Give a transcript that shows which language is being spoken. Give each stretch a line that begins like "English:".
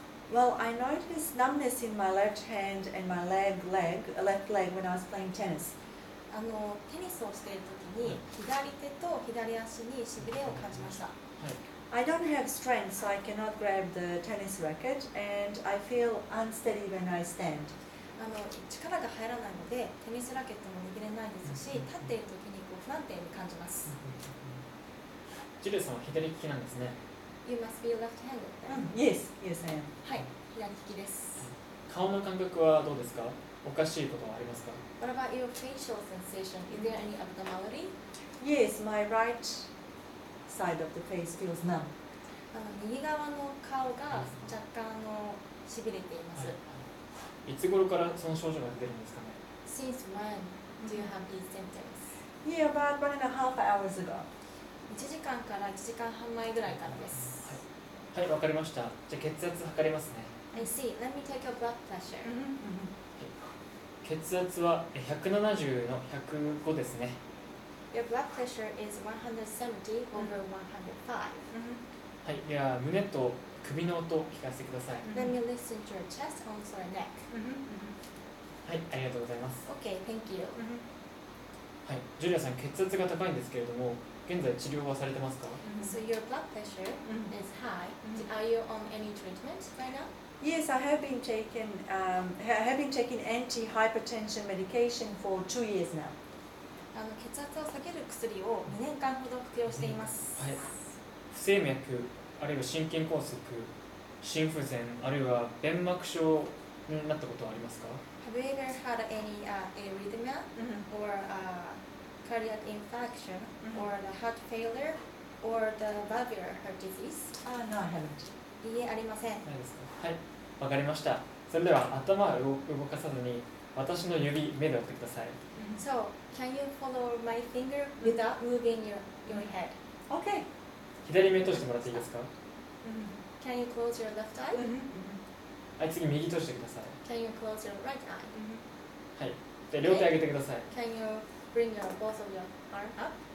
English: Well, I noticed numbness in my left hand and my left leg when I was playing tennis.
Japanese: テニスをしているときに左手と左足にしびれを感じました。
English: I don't have strength, so I cannot grab the tennis racket, and I feel unsteady when I stand.
Japanese: 力が入らないので、テニスラケットも握れないですし、立っているときにこう不安定に感じます。ジュリアさんは左利きなんですね。
English: You must be left-handed.、 Yes, yes, I am.
Japanese: はい、左利きです。顔の感覚はどうですか？おかしいことはありますか？
English: What about your facial sensation? Is there any abnormality? Yes, my rightside of the face feels numb.
Japanese: 右側の顔が若干のしびれています、はい。いつ頃からその症状が出るんですかね？
English: Since when do you have these symptoms? Yeah, about 1.5 hours ago.
Japanese: 1時間から1時間半前ぐらいからです。はい、わかりました。じゃあ血圧測りますね。
English: I see. Let me take your blood pressure.
Japanese: 血圧は170の105ですね。
English: Your blood pressure is 170/105.
Japanese: はい、胸と首の音聞かせてください。
English: Let me listen to your chest, arms, or neck.
Japanese: はい、ありがとうございます。
English: Okay, thank you.
Japanese: はい、ジュリアさん、血圧が高いんですけれども、現在治療はされてますか？
English: So your blood pressure is high. Are you on any treatment right now? Yes, I have been taking anti-hypertension medication for 2 years now.
Japanese: 血圧を下げる薬を2年間ほど服用しています。はい。不整脈、あるいは心筋梗塞、心不全、あるいは弁膜症になったことはありますか？
English: Have you ever had any arrhythmia or cardiac infarction or the heart failure or the valvular heart disease? No, I haven't.
Japanese: いいえ、ありません。ないですか。はい、わかりました。それでは、頭を動かさずに、私の指、目で追ってください。
English: So, can you follow my finger without moving your head? Okay.
Japanese: 左目閉じてもらっていいですか？
English: Can you close your left eye?
Japanese: はい、次、右閉じてください。
English: Can you close your right eye?
Japanese: はい、で両手上げてください。
English: Can you bring your both of your arm up?